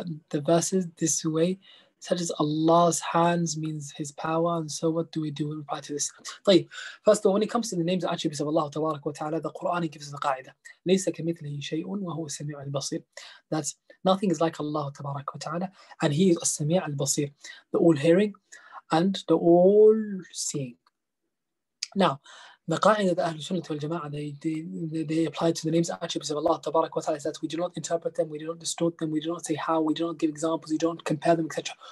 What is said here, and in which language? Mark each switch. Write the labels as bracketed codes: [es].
[en] The verses this way, such as Allah's hands means His power, and so what do we do in reply to this? [ar] طيب, [en] first of all, when it comes to the names and attributes of Allah [ar] تبارك وتعالى, [en] the Quran gives us the قاعدة. [ar] ليس كمثله شيء وهو السميع البصير. [en] That nothing is like Allah [ar] تبارك وتعالى, [en] and He is [ar] السميع البصير, [en] the all-hearing and the all-seeing. Now, the قاعدة that [ar] أهل السنة والجماعة [en] they apply to the names and attributes of Allah [ar] تبارك وتعالى [en] is that we do not interpret them, we do not distort them, we do not say how, we do not give examples, we do not compare them, etc.